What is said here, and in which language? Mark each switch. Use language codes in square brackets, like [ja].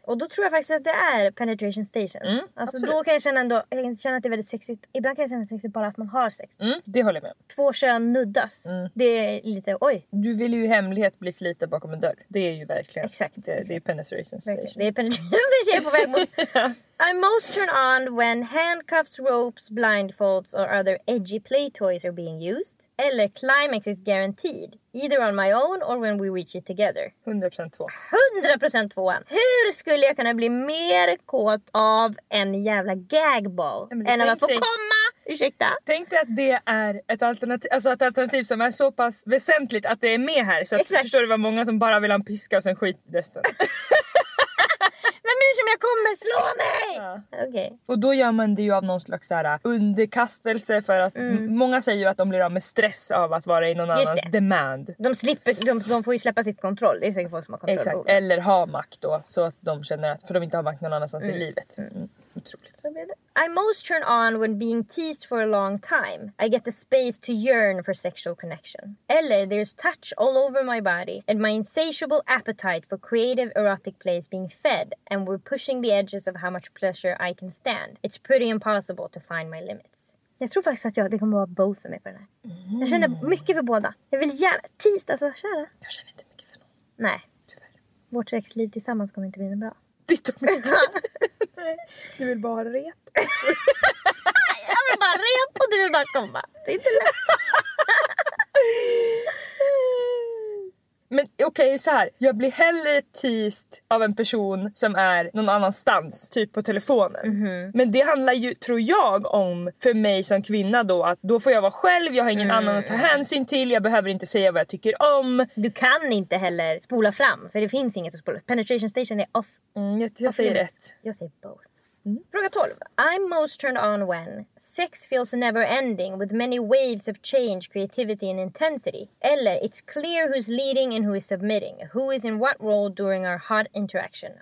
[sv] Och då tror jag faktiskt att det är penetration station. Mm, alltså absolut. Då kan jag känna ändå, jag kan känna att det är väldigt sexigt. Ibland kan jag känna sexigt bara att man har sex. Mm, det håller jag med. Två kön nuddas. Mm. Det är lite, oj. Du vill ju i hemlighet bli sliten bakom en dörr. Det är ju verkligen. Exakt. Det är penetration station. Det är penetration station på väg mot... [en] I'm most turned on when handcuffs, ropes, blindfolds or other edgy play toys are being used. Eller climax is guaranteed. Either on my own or when we reach it together. [sv] 100% två. 100% tvåan. Hur skulle jag kunna bli mer kåt av en jävla gagball än av att få komma? Ursäkta. Tänk dig att det är ett alternativ, alltså ett alternativ som är så pass väsentligt att det är med här. Så att, förstår du vad många som bara vill ha en piska och sen skit resten. Som jag kommer slå mig! Ja. Okay. Och då gör man det ju av någon slags så här underkastelse för att många säger ju att de blir av med stress av att vara i någon just annans det. Demand. De slipper, de får ju släppa sitt kontroll. Det är säkert folk som har kontroll. Exakt. Eller ha makt då så att de känner att, för de inte har makt någon annanstans i livet. Mm. Otroligt. [en] I most turn on when being teased for a long time. I get the space to yearn for sexual connection. Eller there's touch all over my body and my insatiable appetite for creative erotic play is being fed and we're pushing the edges of how much pleasure I can stand. It's pretty impossible to find my limits. [sv] Jag tror faktiskt att det kommer vara both för mig på den här. Mm. Jag känner mycket för båda. Jag vill gärna teased, alltså kära. Jag känner inte mycket för någon. Nej. Tyvärr. Vårt sexliv tillsammans kommer inte bli bra. Ditt och mitt. Du vill bara rep. Jag vill bara rep och du vill bara komma. Det är inte lätt. Men okej, okay, så här. Jag blir hellre teased av en person som är någon annanstans. Typ på telefonen. Mm-hmm. Men det handlar ju, tror jag, om för mig som kvinna då. Att då får jag vara själv. Jag har ingen annan att ta hänsyn till. Jag behöver inte säga vad jag tycker om. Du kan inte heller spola fram. För det finns inget att spola. Penetration station är off. Mm, jag säger rätt. Jag säger both. Fråga 12. [en] I'm most turned on when sex feels never ending with many waves of change, creativity and intensity. Eller it's clear who's leading and who is submitting. Who is in what role during our hot interaction.